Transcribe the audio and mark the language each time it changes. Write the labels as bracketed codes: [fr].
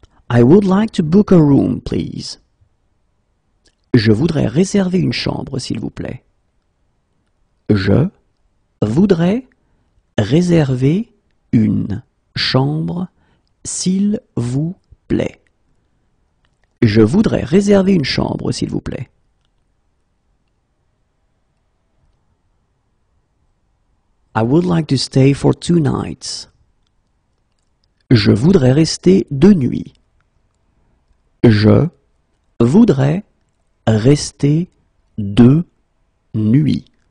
[en] I would like to book a room, please. [fr] Je voudrais réserver une chambre, s'il vous plaît. Je voudrais réservez une chambre, s'il vous plaît. Je voudrais réserver une chambre, s'il vous plaît. [en] I would like to stay for two nights. [fr] Je voudrais rester deux nuits. Je voudrais rester deux nuits.